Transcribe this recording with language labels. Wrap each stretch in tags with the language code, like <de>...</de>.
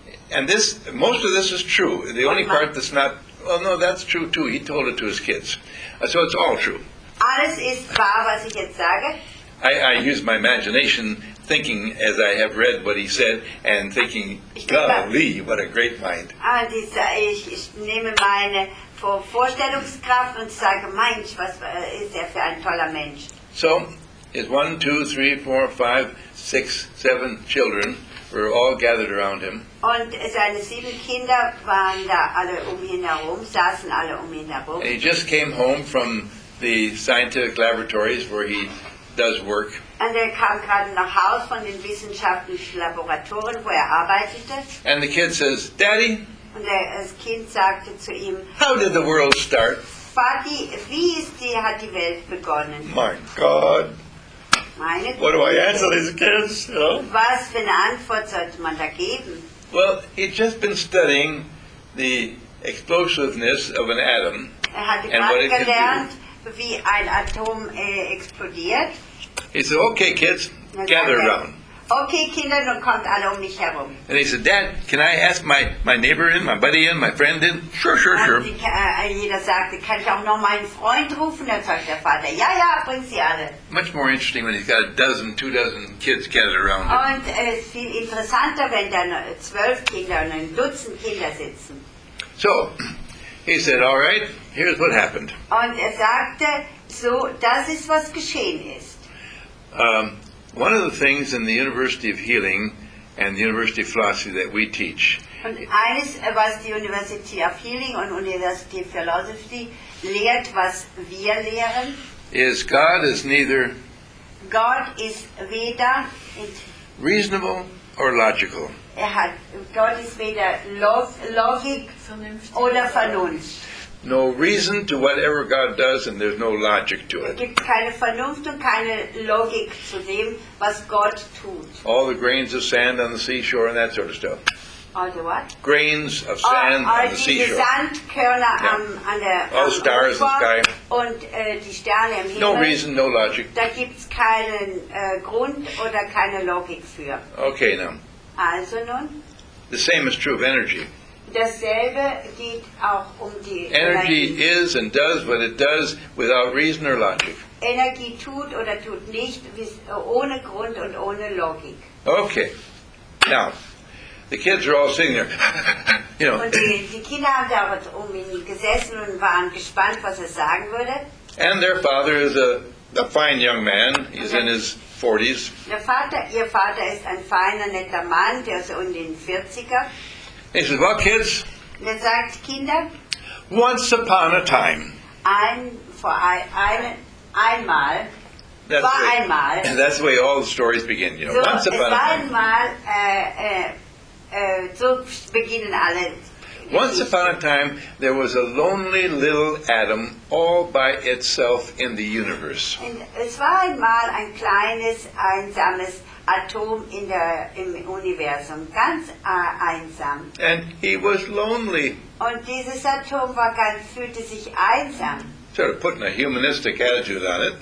<en>and this, most of this is true. The only part that's not, well, no, that's true too. He told it to his kids. So it's all true.</en> <de>Alles ist wahr, was ich jetzt sage.</de> <en>I use my imagination thinking as I have read what he said and thinking, golly, what a great mind.</en> <de>Ich nehme meine Vorstellungskraft und sage, Mensch, was ist er für ein toller Mensch.</de> <en>So, his 1, 2, 3, 4, 5, 6, 7 children were all gathered around him.</en> <de>Und seine 7 Kinder waren da alle um ihn herum, saßen alle um ihn herum.</de> <en>And he just came home from the scientific laboratories where he does work.</en> <de>And er kam gerade nach Haus von den wissenschaftlichen Laboratorien, wo er arbeitete.</de> <en>And the kid says, Daddy.</en> <de>Und das Kind sagte zu ihm,</de> <en>how did the world start?</en> <de>Vati, wie ist die, hat die Welt begonnen?</de> <en>My God.</en> <de>Meine</de> <en>what do I answer these kids? You know?</en> <de>Was für eine Antwort sollte man da geben?</de> <en>Well, he'd just been studying the explosiveness of an atom.</en> <de>Er hatte gerade gelernt, wie ein Atom explodiert.</de> <en>He said, okay, kids, gather around.</en> <de>Okay, Kinder, nun kommt alle um mich herum.</de> <en>And he said, Dad, can I ask my neighbor in, my buddy in, my friend in? Sure.</en> <de>Jeder sagte, kann ich auch noch meinen Freund rufen? Dann sagt der Vater, ja, bring sie alle.</de> <en>Much more interesting when he's got a dozen, 2 dozen kids gathered around him.</en> <de>Und es ist viel interessanter, wenn dann 12 Kinder und ein Dutzend Kinder sitzen.</de> <en>So, he said, all right, here's what happened.</en> <de>Und er sagte, so, das ist, was geschehen ist.</de> <en>One of the things in the University of Healing and the University of Philosophy that we teach,</en> <de>und eines, was die University of Healing und University of Philosophy lehrt, was wir lehren,</de> <en>is God is neither</en> <de>God is weder</de> <en>reasonable or logical.</en> <de>Er hat, God is weder logik oder Vernunft.</de> <en>No reason to whatever God does, and there's no logic to it.</en> <de>Es gibt keine Vernunft und keine Logik zu dem, was Gott tut.</de> <en>All the grains of sand on the seashore and that sort of stuff. All the what? Grains of sand on the seashore.</en> <de>All die Sandkörner an der Ufer.</de> <en>All stars in the sky.</en> <de>Und die Sterne im Himmel.</de> <en>No reason, no logic.</en> <de>Da gibt's keinen Grund oder keine Logik für.</de> <en>Okay, now.</en> <de>Also nun.</de> <en>The same is true of energy.</en> <de>Dasselbe geht auch um die Energie.</de> <en>Energy is and does what it does without reason or logic.</en> <de>Energie tut oder tut nicht ohne Grund und ohne Logik.</de> <en>Okay. Now, the kids are all sitting there. You know.</en> <de>Und die Kinder haben da um ihn gesessen und waren gespannt, was er sagen würde.</de> <en>And their father is a fine young man. He's in his 40s.</en> <de>Ihr Vater ist ein feiner, netter Mann, der ist in den 40er.</de> <en>He says, well, kids,</en> <de>er sagt, Kinder,</de> <en>once upon a time,</en> <de>einmal,</de> <en>that's</en> <de>war einmal,</de> <en>that's the way all the stories begin, you know,</en> <de>so,</de> <en>once upon a time.</en> <de>Einmal, so beginnen alle.</de> <en>Once upon a time, there was a lonely little atom all by itself in the universe.</en> <de>Und es war einmal ein kleines, einsames Atom in der, im Universum, ganz einsam.</de> <en>And he was lonely.</en> <de>Und dieses Atom war ganz, fühlte sich einsam.</de> <en>Sort of putting a humanistic attitude on it.</en>